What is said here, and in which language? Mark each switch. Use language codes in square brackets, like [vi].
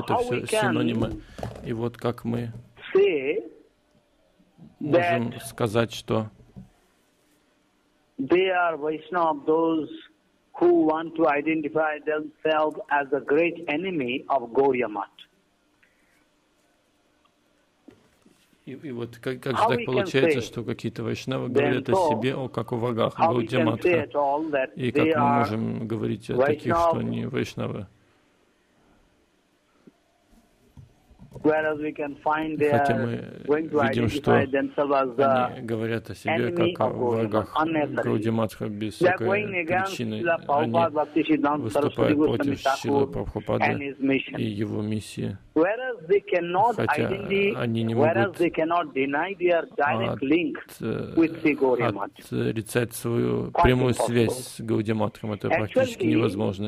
[ru] Это все синонимы. И вот как мы можем сказать, что [en] they are vaishnava of those who want to identify themselves as a great enemy of Gaudiya Math. [ru] И вот как же так получается, что какие-то вайшнавы говорят о себе, о как о врагах Гаудия Матха? И как мы можем говорить о таких, что они вайшнавы? [en] Whereas we can find they are going to [ru] видим, [en] identify themselves as the enemy of Gaudiya Matha, [ru] Gaudiya Matha, без всякой причины. Они выступают против Шрилы Прабхупады и его миссии. [en] Whereas they cannot deny their direct link with the Gaudiya Matha. [ru] Отрицать свою прямую связь с Гаудия Матхой, это практически невозможно.